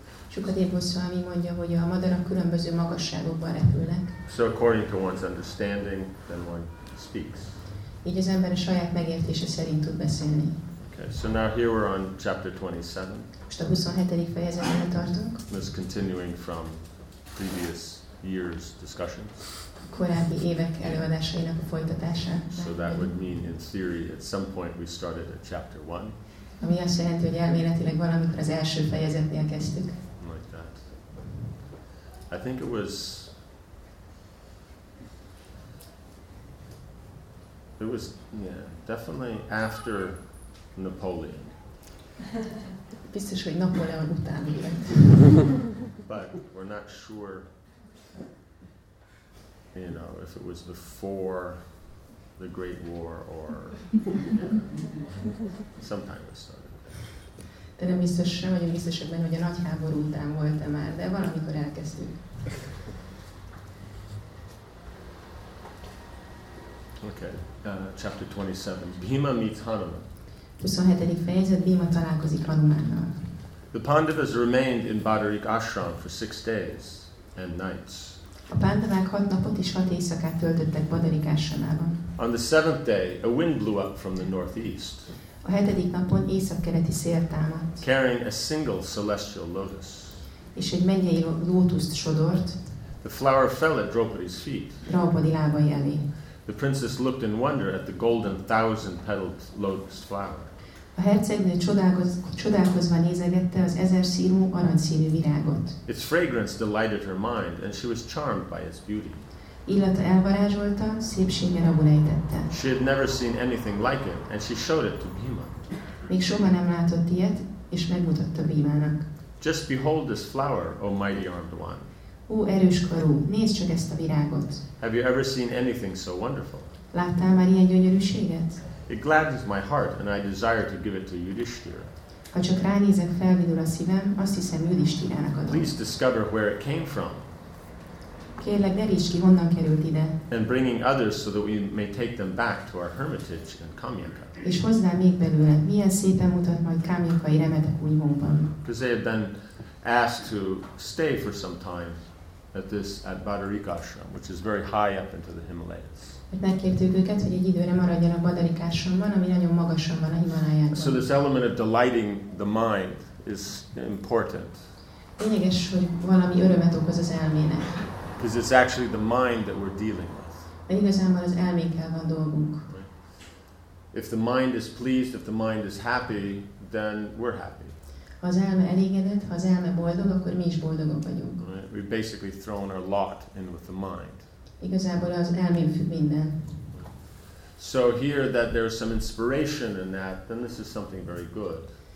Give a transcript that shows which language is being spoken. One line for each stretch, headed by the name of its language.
Hungarian: Sukadev Goswami mondja, hogy a madarak különböző magasságokban repülnek.
English: So according to one's understanding, then one speaks.
Hungarian: Így az ember a saját megértése szerint tud beszélni.
English: Okay, so now here we're on chapter 27.
Hungarian: Most a 27. fejezetben tartunk.
English: This continuing from previous year's discussions.
Hungarian: Korábbi évek előadásainak a folytatása.
English: So that would mean in theory at some point we started at chapter 1.
Hungarian: Ami azt jelenti, hogy elméletileg valamikor az első fejezetnél kezdtük.
English: Like that. I think it was. It was, yeah, definitely after Napoleon.
Hungarian: Biztos, hogy Napóleon után élet.
English: But we're not sure, you know, if it was before the Great War or sometime it started.
Hungarian: De nem biztos, sem vagyunk biztosabban, hogy a nagy háború után volt-e már, de valamikor elkezdtük.
English: Okay, chapter 27. Bhima meets Hanuman.
Hungarian: 27. fejezet, Bhima találkozik Hanumánnal.
English: The Pandavas remained in Bhadarik Ashram for 6 days and nights.
Hungarian: A Pandavák 6 napot és 6 éjszakát töltöttek Bhadarik Ashramában.
English: On the 7th day, a wind blew up from the northeast.
Hungarian: A 7. napon északkeleti szél támadt.
English: Carrying a single celestial lotus.
Hungarian: És egy mennyei lótuszt sodort.
English: The flower fell at Draupadi's feet.
Hungarian: Draupadi lábai elé.
English: The princess looked in wonder at the golden thousand-petaled lotus flower.
Hungarian: A hercegnő csodálkozva nézegette az ezerszínű aranyszínű virágot.
English: Its fragrance delighted her mind, and she was charmed by its beauty.
Hungarian: Illata elvarázsolta, szépsége rabulejtette.
English: She had never seen anything like it, and she showed it to Bhima.
Hungarian: Még soha nem látott ilyet, és megmutatta Bhimának.
English: Just behold this flower, O mighty-armed one.
Hungarian: Ó, erős karú, nézd csak ezt a virágot.
English: Have you ever seen anything so wonderful?
Hungarian: Láttál már ilyen gyönyörűséget?
English: It gladdens my heart, and I desire to give it to Yudhishthira.
Hungarian: Ha csak ránézek, felvidul a szívem, azt hiszem Yudhishthirának adom.
English: Please discover where it came from.
Hungarian: Kérlek, deríts ki, honnan került ide.
English: And bringing others so that we may take them back to our hermitage in Kamyaka.
Hungarian: És hozzá még belőle, milyen szépen mutat majd Kamyakai remetek újvonban.
English: Because they had been asked to stay for some time at this at Bhadarik Ashram, which is very high up into the Himalayas.
Hungarian: Megkértük őket, hogy egy időre maradjanak Bhadarik Ashramban, ami nagyon magasan van a Himalájában.
English: So this element of delighting the mind is important.
Hungarian: Lényeges, hogy valami örömet okoz az elmének.
English: Because it's actually the mind that we're dealing with.
Hungarian: De igazából az elménkkel van dolgunk.
English: If the mind is pleased, if the mind is happy, then we're happy.
Hungarian: Ha az elme elégedett, ha az elme boldog, akkor mi is boldogok vagyunk.
English: Right. We've basically thrown our lot in with the mind.
Hungarian: Igazából az elmén függ minden.
English: So here that there's some inspiration in that, then this is something very good.